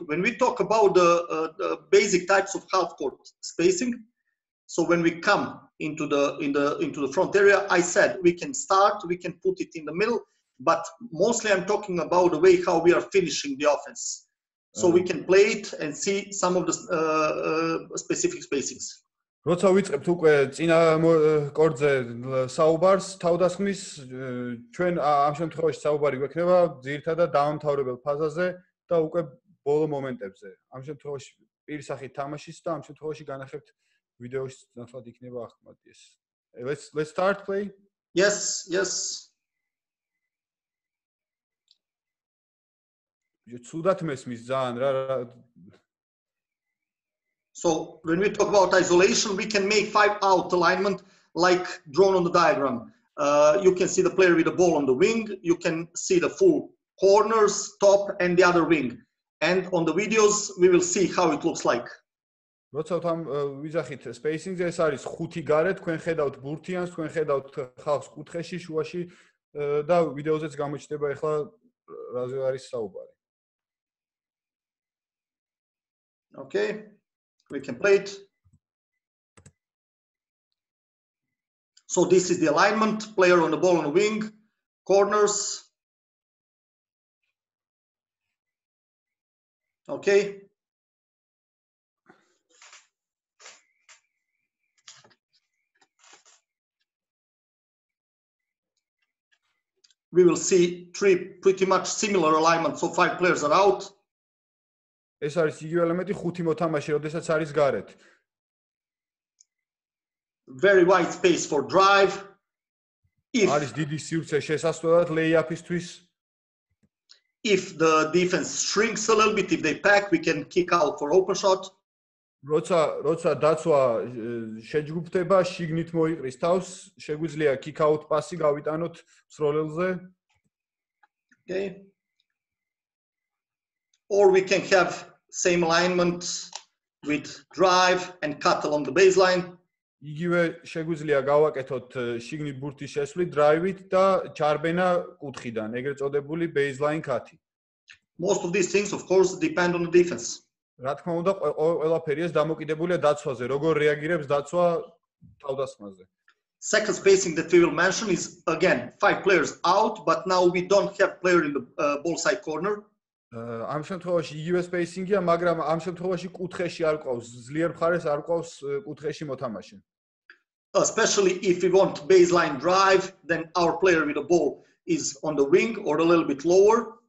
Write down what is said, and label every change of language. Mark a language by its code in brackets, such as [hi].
[en] When we talk about the basic types of half court spacing, so when we come into the front area, I said we can start, we can put it in the middle, but mostly I'm talking about the way how we are finishing the offense. So we can play it and see some of the specific spacings. [ka] როცა ვიწყებთ უკვე წინა კორტზე საუბარს თავდასხმის, ჩვენ ამ შემთხვევაში საუბარი გვექნება ძირითადად დაამთავრებელ ფაზაზე და უკვე ბოლო მომენტებზე. ამ შემთხვევაში პირ სახით თამაშის და ამ შემთხვევაში განახებთ ვიდეოში ნახვად იქნება ახმად ეს. [en] Let's start play. Yes, yes. [ka] ცუდად მესმის ძალიან რა. [en] So when we talk about isolation, we can make five out alignment like drawn on the diagram. You can see the player with the ball on the wing, you can see the full corners, top and the other wing. And on the videos we will see how it looks like. [ka] როცა თან ვიზახით spacing-ზე, ეს არის ხუთი გარე, თქვენ ხედავთ ბურთიანს, თქვენ ხედავთ ხალხს კუთხეში, შუაში და ვიდეოზეც გამოჩნდება ახლა რაზე არის საუბარი. [en] Okay. We can play it. So this is the alignment, player on the ball on the wing, corners. Okay, we will see three pretty much similar alignments of five players are out. [ka] ეს არის იგივე ელემენტი ხუთი მოთამაშე, როდესაც არის გარეთ. [en] Very wide space for drive. [ka] არის დიდი სივრცე შესასვლელად ლეიაფისთვის. [en] If the defense shrinks a little bit, if they pack, we can kick out for open shot. [ka] როცა დაცვა შეჯგუფდება, შიგნით მოიყრის თავს, შეგვიძლია kick out პასი გავიტანოთ მსროლელზე. [en] Okay. Or we can have same alignment with drive and cut along the baseline. [ka] იგივე შეგვიძლია გავაკეთოთ შიგნით ბურთის შესვლით drive-ით და ჩარბენა კუთხიდან, ეგრეთ წოდებული baseline cut-ი. [en] Most of these things of course depend on the defense. [ka] რა თქმა უნდა, ყველაფერი ეს დამოკიდებულია დაცვაზე, როგორ რეაგირებს დაცვა თავდასხმაზე. [en] Second spacing that we will mention is again five players out, but now we don't have player in the ball side corner. [ka] ამ შემთხვევაში იგივე სპეისინგია, მაგრამ ამ შემთხვევაში კუთხეში არ ყავს, ძლიერ მხარეს არ ყავს კუთხეში მოთამაშე. [en] Especially if we want baseline drive, then our player with the ball is on the wing or a little bit lower.